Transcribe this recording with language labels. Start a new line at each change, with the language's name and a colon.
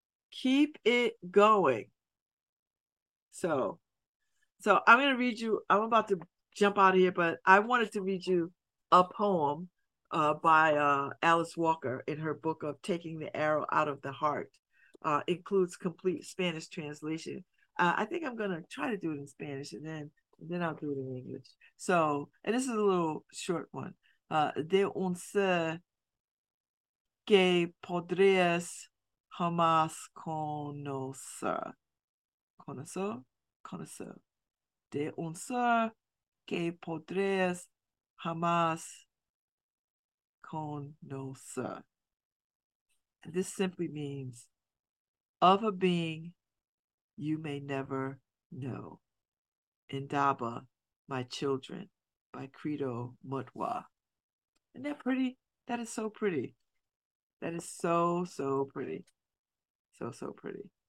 English: Keep it going. So I'm going to read you, I'm about to jump out of here, but I wanted to read you a poem by Alice Walker in her book of Taking the Arrow Out of the Heart. Includes complete Spanish translation. I think I'm going to try to do it in Spanish and then I'll do it in English. So, and this is a little short one.
Spanish: De un ser que podrías jamás conocer. Conocer. De un ser que podrías jamás conocer.
English: And this simply means of a being you may never know. Indaba, my children, by Credo Mutwa. Isn't that pretty? That is so pretty. That is so, so pretty. So pretty.